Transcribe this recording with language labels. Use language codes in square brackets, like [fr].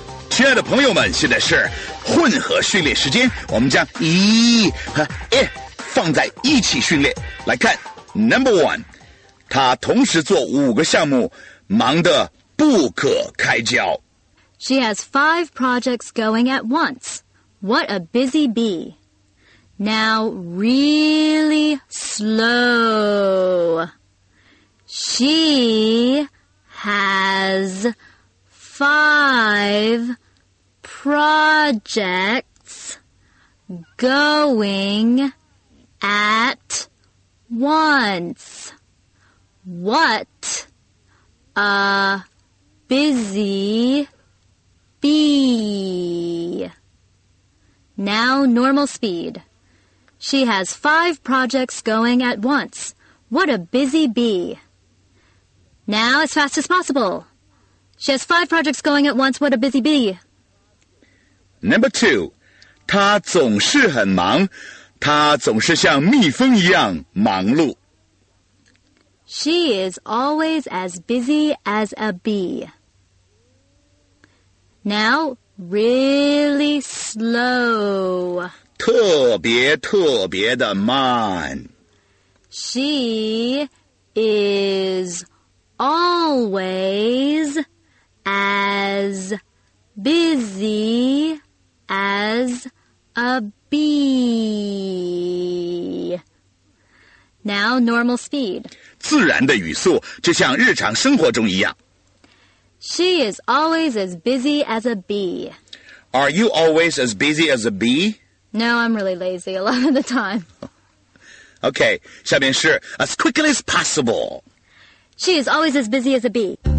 [zh] 亲爱的朋友们，现在是混合训练时间，我们将一和诶放在一起训练。来看 [en] Number one， [zh] 他同时做五个项目，忙得不可开交。 [en] She has five projects going at once. What a busy bee. Now really slow. She has five projects going at once. What a busy bee. Now normal speed. She has five projects going at once. What a busy bee. Now as fast as possible. She has five projects going at once. What a busy bee. Number two. [zh] 她总是很忙，她总是像蜜蜂一样忙碌。 [en] She is always as busy as a bee. Now, really slow. [zh] 特别特别的慢。 [en] She is always as busy as a bee. Now, normal speed. [zh] 自然的语速，就像日常生活中一样。 [en] She is always as busy as a bee. Are you always as busy as a bee? No, I'm really lazy a lot of the time. Okay, [zh] 下面是 [en] as quickly as possible. She is always as busy as a bee.